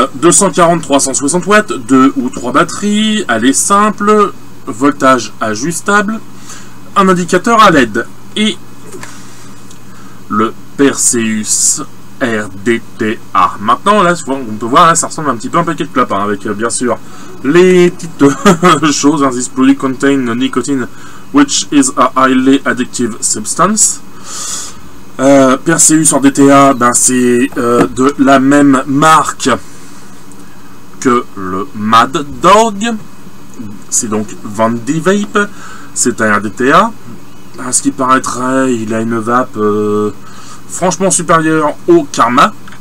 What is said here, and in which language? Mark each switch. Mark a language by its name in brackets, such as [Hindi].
[French] 240-360 watts, 2 ou 3 batteries, elle est simple, voltage ajustable, un indicateur à LED et le Perseus. RDTA. Maintenant, là, on peut voir, là, ça ressemble un petit peu à un paquet de clopes, hein, avec bien sûr les petites choses. [English] This product contains nicotine, which is a highly addictive substance. [French] Perseus RDTA, ben, c'est de la même marque que le Mad Dog. C'est donc Vandy Vape. C'est un RDTA. À ce qui paraîtrait, il a une vape. Franchement supérieur au Karma.